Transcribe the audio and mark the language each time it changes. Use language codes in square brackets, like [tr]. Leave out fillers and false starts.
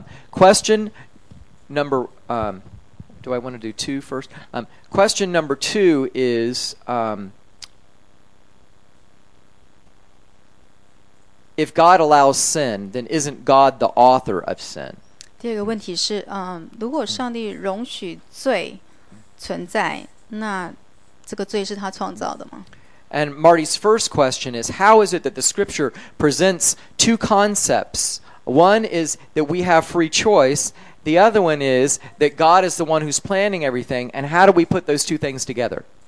[en] Question number two is, if God allows sin, then isn't God the author of sin? [zh] 第二个问题是，如果上帝容许罪存在，那这个罪是他创造的吗？ [en] And Marty's first question is, how is it that the scripture presents two concepts? One is that we have free choice. The other one is that God is the one who's planning everything. And how do we put those two things together?